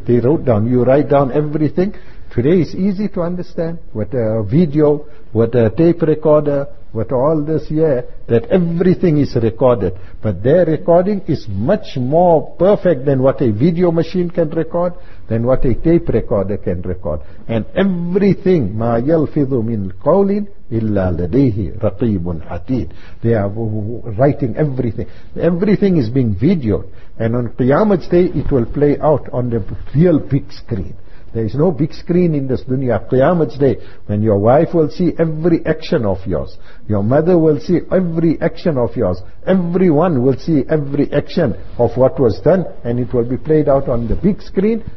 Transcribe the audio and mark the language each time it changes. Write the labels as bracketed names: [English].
[English] They wrote down, you write down everything. Today is easy to understand, with a video, with a tape recorder, with all this here, that everything is recorded. But their recording is much more perfect than what a video machine can record, than what a tape recorder can record. And everything, [Arabic] مَا يَلْفِظُ مِنْ قَوْلٍ إِلَّا لَدَيْهِ رَقِيبٌ حَتِيدٌ. [English] They are writing everything. Everything is being videoed. And on Qiyamah Day, it will play out on the real big screen. There is no big screen in this dunya. Qiyamah Day, when your wife will see every action of yours, your mother will see every action of yours, everyone will see every action of what was done, and it will be played out on the big screen.